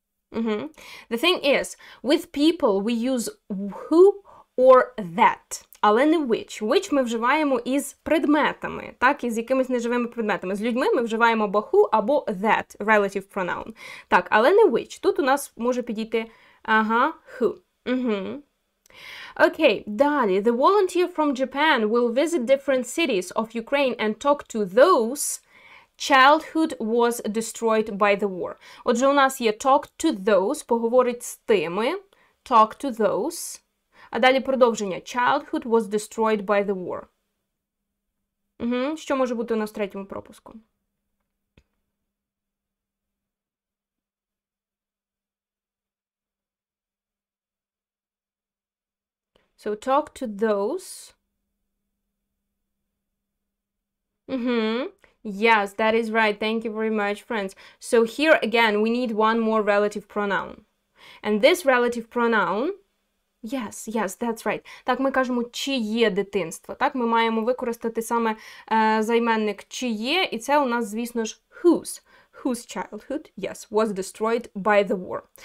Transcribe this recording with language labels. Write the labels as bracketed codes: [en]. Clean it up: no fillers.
[en] The thing is, with people we use who or that, [uk] але не [en] which. [uk] Which ми вживаємо із предметами, так, із якимись неживими предметами. З людьми ми вживаємо або who, або that, relative pronoun. Так, [en] але не which. [uk] Тут у нас може підійти, who. Okay, далі. [en] The volunteer from Japan will visit different cities of Ukraine and talk to those... Childhood was destroyed by the war. [uk] Отже, у нас є [en] talk to those, [uk] поговорить з тими. [en] Talk to those. [uk] А далі продовження. [en] Childhood was destroyed by the war. [uk] Що може бути у нас в третьому пропуску? [en] So, talk to those. Yes, that is right. Thank you very much, friends. So here again, we need one more relative pronoun. And this relative pronoun... Yes, yes, that's right. [uk] Так, ми кажемо, чиє дитинство. Так, ми маємо використати саме займенник чиє, і це у нас, звісно ж, whose. [en] Whose childhood, yes, was destroyed by the war.